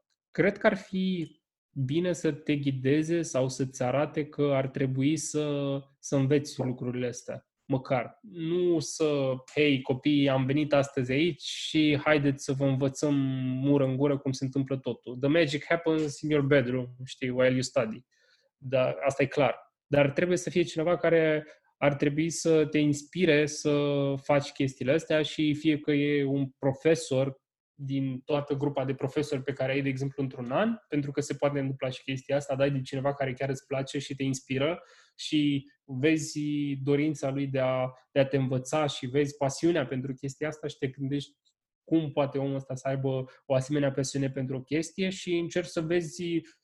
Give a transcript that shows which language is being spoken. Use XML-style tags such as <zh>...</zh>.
<ro>Cred că ar fi bine să te ghideze sau să-ți arate că ar trebui să înveți lucrurile astea. Măcar, nu să, hei copii, am venit astăzi aici și haideți să vă învățăm mură în gură cum se întâmplă totul.</ro> <en>The magic happens in your bedroom,</en> <ro>știi,</ro> <en>while you study.</en> <ro>Dar asta e clar. Dar trebuie să fie cineva care ar trebui să te inspire să faci chestiile astea și fie că e un profesor din toată grupa de profesori pe care ai, de exemplu, într-un an, pentru că se poate întâmpla și chestia asta, dai de cineva care chiar îți place și te inspiră și vezi dorința lui de a te învăța și vezi pasiunea pentru chestia asta și te gândești cum poate omul ăsta să aibă o asemenea pasiune pentru o chestie și încerci să vezi,</ro>